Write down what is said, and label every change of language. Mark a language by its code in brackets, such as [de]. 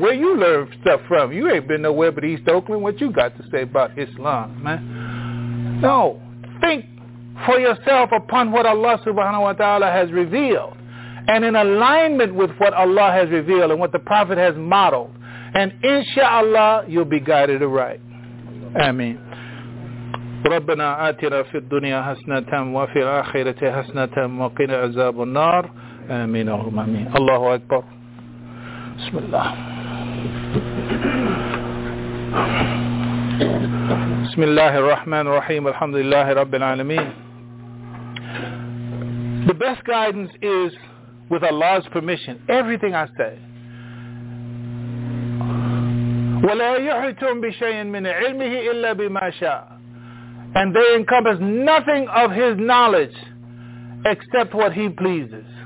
[en] Where you learn stuff from? You ain't been nowhere but East Oakland. What you got to say about Islam, man? No. Think for yourself upon what Allah subhanahu wa ta'ala has revealed, and in alignment with what Allah has revealed and what the Prophet has modeled. And inshallah, you'll be guided aright. Amen. [ar] ربنا آتنا في الدنيا حسنة وفي الآخرة حسنة وقنا عذاب النار آمين اللهم آمين الله أكبر بسم الله بسم الله الرحمن الرحيم الحمد لله رب العالمين. [en] The best guidance is with Allah's permission. Everything I say. [ar] وَلَا يُحِتُمْ بِشَيْءٍ مِنْ عِلْمِهِ إِلَّا بِمَا شَاءَ. [en] And they encompass nothing of His knowledge except what He pleases.